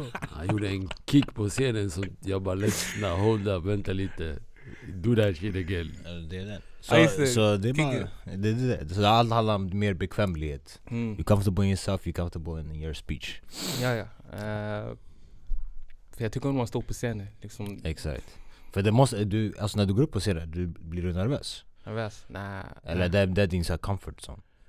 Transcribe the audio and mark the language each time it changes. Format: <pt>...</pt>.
<sv>Han gjorde en kick på scenen så jag bara lyssna,</sv> <en>hold up,</en> <sv>vänta lite.</sv> <en>Do that shit again.</en> <sv>Så det är allt handlar om mer bekvämlighet. Mm.</sv> <en>You're comfortable in yourself, you're comfortable in your speech.</en> <sv>Ja. För jag tycker om man står på scenen. Liksom. Exakt. För det måste, du, alltså när du går upp på scenen, du blir du nervös. Eller det är din comfort zone.</sv>